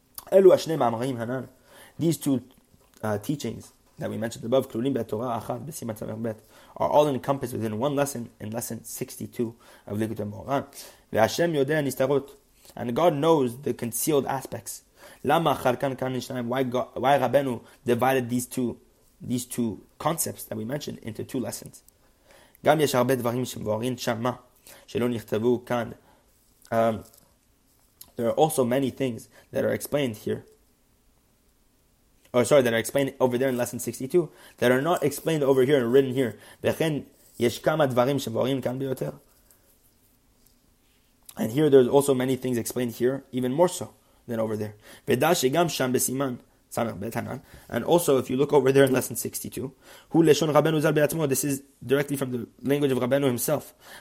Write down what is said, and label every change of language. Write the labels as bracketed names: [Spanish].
[English] These two teachings that we mentioned above are all encompassed within one lesson, in lesson 62 of Likutei Moharan. And God knows the concealed aspects. Why Rabbeinu divided these two concepts that we mentioned into two lessons? [Hebrew] גם יש הרבה דברים שמבוארים שמה שלא נכתבו כאן. [English] There are also many things that are explained here. That are explained over there in lesson 62 that are not explained over here and written here. [Hebrew] וכן יש כמה דברים שמבוארים כאן ביותר. [English] And here there's also many things explained here, even more so than over there. [Hebrew] ודע שגם שם בסימן. [English] And also, if you look over there in lesson 62, this is directly from the language of Rabbeinu himself.